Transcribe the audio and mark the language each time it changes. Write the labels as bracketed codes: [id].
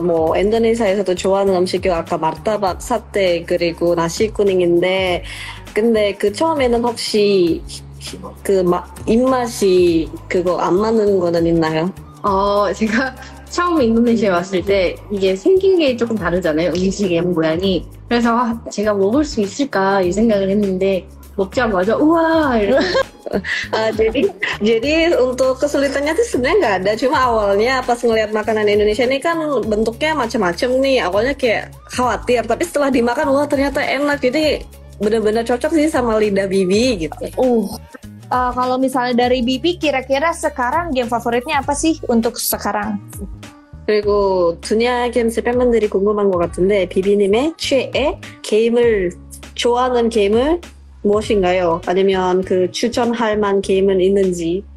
[ko] 뭐 인도네시아에서도 좋아하는 음식이 아까 마르타박 사테 그리고 나시쿠닝인데, 근데 그 처음에는 혹시 그 입맛이 그거 안 맞는 거는 있나요? 제가 처음 인도네시아에 왔을 때 이게 생긴 게 조금 다르잖아요, 음식의 모양이. 그래서 제가 먹을 수 있을까 이 생각을 했는데 먹자마자 우와 [id] jadi untuk kesulitannya itu sebenarnya nggak ada, cuma awalnya pas ngelihat makanan Indonesia ini kan bentuknya macam-macam nih, awalnya kayak khawatir, tapi setelah dimakan wah ternyata enak, jadi benar-benar cocok sih sama lidah Bibi gitu. Kalau misalnya dari Bibi, kira-kira sekarang game favoritnya apa sih untuk sekarang? [ko] 그리고 두니아 게임스 팬분들이 궁금한 것 같은데 비비님의 최애 게임을 좋아하는 게임을 무엇인가요? 아니면 그 추천할 만 게임은 있는지?